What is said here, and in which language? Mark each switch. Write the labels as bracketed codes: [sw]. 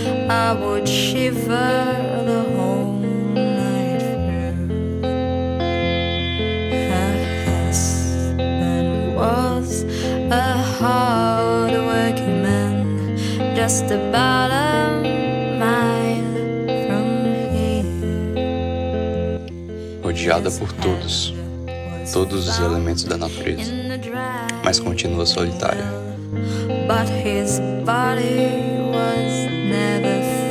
[en] I would shiver the whole night through. Her husband was a hard working man, just about a mile from here. [pt] Rodeada por todos os elementos da natureza, mas continua solitária. [en] But his body was never